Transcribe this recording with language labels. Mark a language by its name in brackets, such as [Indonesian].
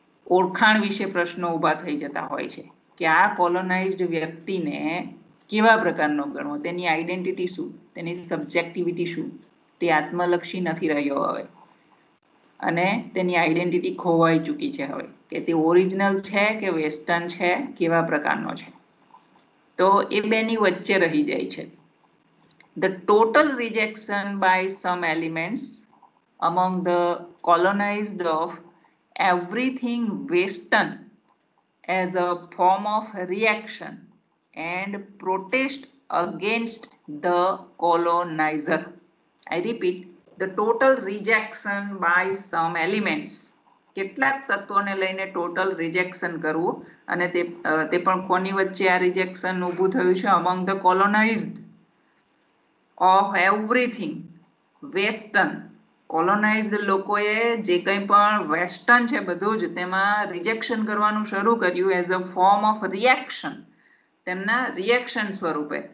[Gujarati] ઓળખાણ વિશે પ્રશ્નો ઊભા થઈ જતા હોય છે કે આ કોલોનાઇઝ્ડ વ્યક્તિને કેવા પ્રકારનો ગણવો, તેની આઈડેન્ટિટી શું, તેની સબ્જેક્ટિવિટી શું, તે આત્મલક્ષી નથી રહ્યો હવે અને તેની આઈડેન્ટિટી ખોવાઈ ચૂકી છે હવે, કે તે ઓરિજિનલ છે કે વેસ્ટર્ન છે, કેવા પ્રકારનો છે, તો એ બેની વચ્ચે રહી જાય છે. [English] The total rejection by some elements among the colonized of everything Western as a form of reaction and protest against the colonizer. I repeat, the total rejection by some elements. [Gujarati] કેટલાક તત્વોને લઈને ટોટલ રિજેક્શન કરવું અને તે પણ કોની વચ્ચે આ રિજેક્શન ઊભું થયું છે? [English] Among the colonised of everything Western. [Gujarati] કોલોનાઇઝ્ડ લોકોએ જે કંઈ પણ વેસ્ટર્ન છે બધું જ તેમાં રિજેક્શન કરવાનું શરૂ કર્યું [English] as a form of reaction, [Gujarati] તેમના રિએક્શન સ્વરૂપે.